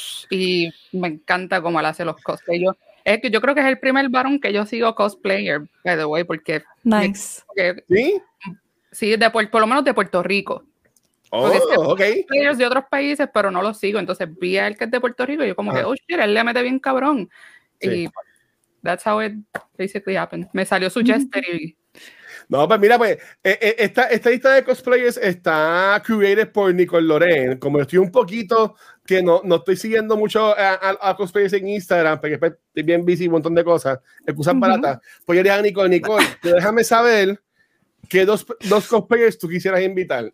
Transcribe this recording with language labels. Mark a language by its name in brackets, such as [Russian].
[Spanish] Y me encanta cómo él hace los cosplays. Yo creo que es el primer varón que yo sigo cosplayer, [English] by the way, [Spanish] porque... [English] Nice. [Spanish] Sí, por lo menos de Puerto Rico. Oh, es que ok. Cosplayers de otros países, pero no los sigo. Entonces vi a él que es de Puerto Rico y yo como que, oh, shit, él le mete bien cabrón. Sí. Y [English] that's how it basically happened. [Spanish] Me salió su Jester y... No, pues mira, pues esta lista de cosplayers está curated por Nicole Loren. Como estoy un poquito, que no estoy siguiendo mucho a cosplayers en Instagram, porque estoy bien busy, un montón de cosas, excusas baratas. Pues yo le dije a Nicole, déjame saber qué dos cosplayers tú quisieras invitar.